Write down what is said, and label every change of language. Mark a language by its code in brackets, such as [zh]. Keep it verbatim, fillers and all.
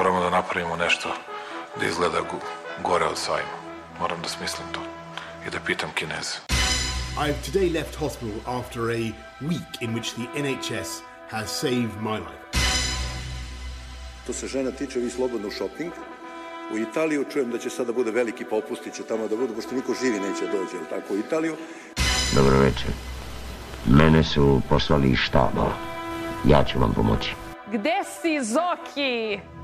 [sr] napravimo nešto da izgleda gore od sajma. Moram da smislim to I da pitam Kineze. [en] I've today left hospital after a week in which the N H S has saved my life. [sr] To se žena tiče, vi slobodno u shopping. U Italiju čujem da će sada bude veliki popustić, tamo da bude, pošto niko živi neće dođe, jel tako, u Italiju. Dobro večer. Mene su poslali iz štaba. Ja ću vam pomoći. Gde si, Zoki?